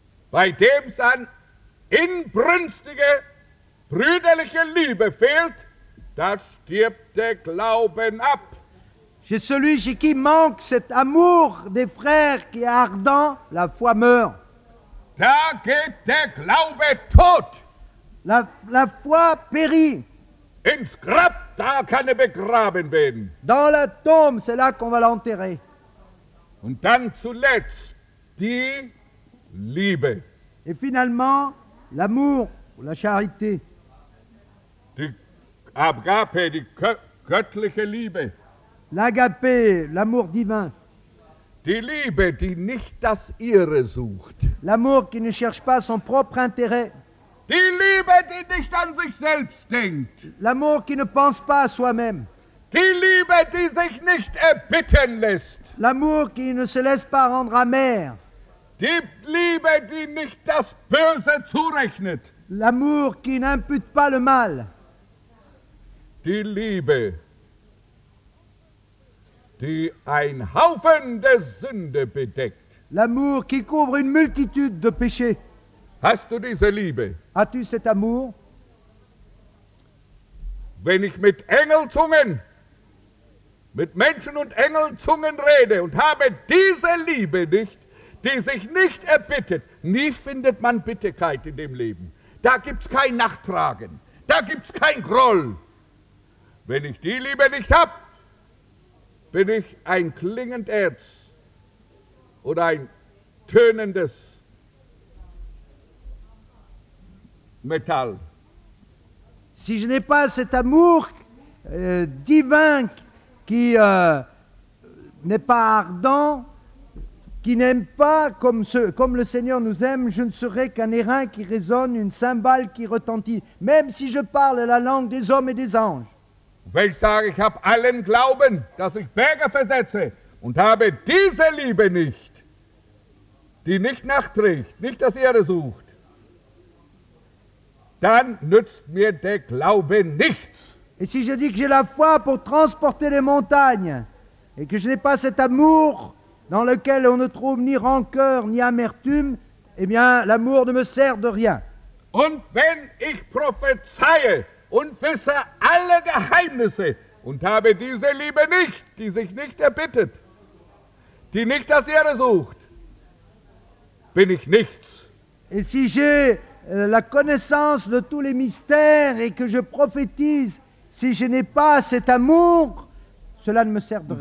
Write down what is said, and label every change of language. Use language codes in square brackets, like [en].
[de] Bei dem es an inbrünstige, brüderliche Liebe fehlt, da stirbt der Glauben ab. [fr] Chez celui chez qui manque cet amour des frères qui est ardent, la foi meurt. [de] Da geht der Glaube tot. [fr] La foi périt. [de] Ins Grab, da kann er begraben werden. [fr] Dans la tombe, c'est là qu'on va l'enterrer. [de] Und dann zuletzt, die Liebe. [fr] Et finalement, l'amour, la charité. [de] Die Agape, die göttliche Liebe. [fr] L'agapé, l'amour divin. [de] Die Liebe, die nicht das ihre sucht. [fr] L'amour qui ne cherche pas son propre intérêt. [de] Die Liebe, die nicht an sich selbst denkt. [fr] L'amour qui ne pense pas à soi-même. [de] Die Liebe, die sich nicht erbitten lässt. [fr] L'amour qui ne se laisse pas rendre amer. [de] Die Liebe, die nicht das Böse zurechnet. [fr] L'amour qui n'impute pas le mal. [de] Die Liebe, die ein Haufen der Sünde bedeckt. [fr] L'amour qui couvre une multitude de péchés. [de] Hast du diese Liebe? [fr] As-tu cet amour? [de] Wenn ich mit Engelzungen, mit Menschen und Engelzungen rede und habe diese Liebe nicht, die sich nicht erbittet, nie findet man Bitterkeit in dem Leben. Da gibt's kein Nachtragen, da gibt's kein Groll. Wenn ich die Liebe nicht hab, bin ich ein klingend Erz oder ein tönendes Metal. [fr] Si je n'ai pas cet amour divin qui n'est pas ardent, qui n'aime pas comme le Seigneur nous aime, je ne serai qu'un airain qui résonne, une cymbale qui retentit, même si je parle la langue des hommes et des anges. [de] Wenn ich sage, ich habe allen Glauben, dass ich Berge versetze und habe diese Liebe nicht, die nicht nachträgt, nicht das ihre sucht, dann nützt mir der Glaube nichts. [fr] Et si je dis que j'ai la foi pour transporter les montagnes et que je n'ai pas cet amour dans lequel on ne trouve ni rancœur ni amertume, eh bien, l'amour ne me sert de rien. [de] Und wenn ich prophezeie und wisse alle Geheimnisse und habe diese Liebe nicht, die sich nicht erbittet, die nicht das ihre sucht, bin ich nichts. [fr] Et si j'ai la connaissance de tous les mystères et que je prophétise, si je n'ai pas cet amour, cela ne me sert de rien.